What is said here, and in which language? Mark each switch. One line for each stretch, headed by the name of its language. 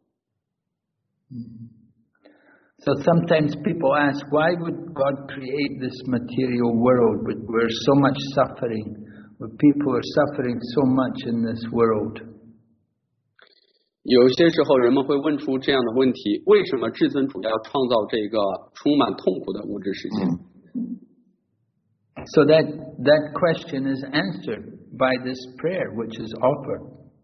Chinese: 只是通过主的一个瞥视，这个物质才可以运，才可以行动。
English: So sometimes people ask, why would God create this material world where so much suffering, where people are suffering so much in this world?
Chinese: 有些时候人们会问出这样的问题，为什么至尊主要创造这个充满痛苦的物质世界？
English: So that question is answered by this prayer which is offered.